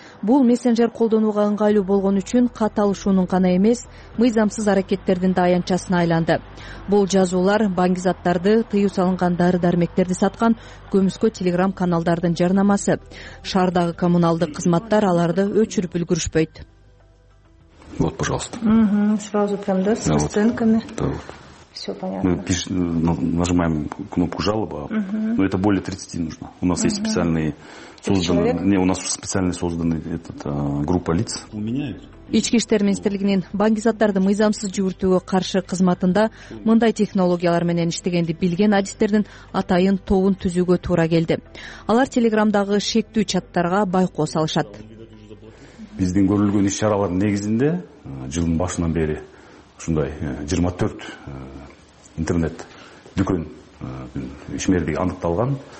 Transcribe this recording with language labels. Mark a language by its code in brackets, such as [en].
[ky] Бул мессенджер колдонууга ыңгайлуу болгон үчүн катталышуунун гана эмес, мыйзамсыз аракеттердин да аянтчасына айланды. Бул жазуулар баңгизаттарды, тыюу салынган дары-дармектерди саткан көмүскө Телеграм каналдардын жарнамасы. Шаардагы коммуналдык кызматтар аларды өчүрүп үлгүрүшпөйт. [ru] Вот, пожалуйста. Сразу прям, да, с расценками. Да, вот. Все понятно. Мы нажимаем кнопку «Жалоба», но это более 30 нужно. У нас есть специальные созданные... Не, у нас специально созданы группа лиц. У меня [ky] Ички иштер министрлигинин баңгизаттарды мыйзамсыз жүгүртүүгө каршы кызматында мындай технологиялар менен иштегенди билген адистердин атайын тобун түзүүгө туура келди. Алар Телеграмдагы шектүү чаттарга байкоо салышат. Биздин көрүлгөн иш чаралардын негизинде жылдын башынан бери ушундай 24 интернет дүкөн ишмердиги аныкталган.